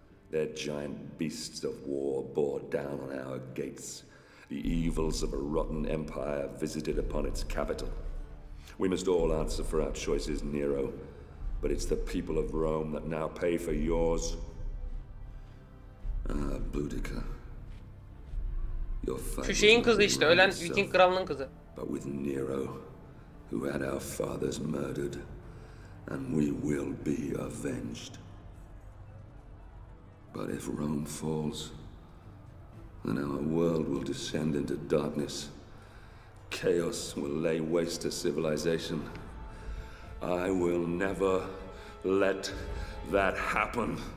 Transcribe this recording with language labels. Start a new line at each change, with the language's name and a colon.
English: Their giant beasts of war bore down on our gates. The evils of a rotten empire visited upon its capital. We must all answer for our choices, Nero. But it's the people of Rome that now pay for yours. Boudica.
Turkish: Şu şeyin kızı işte, ölen Viking kralının kızı.
English: But with Nero, who had our fathers murdered, and we will be avenged. But if Rome falls, then our world will descend into darkness. Chaos will lay waste to civilization. I will never let that happen.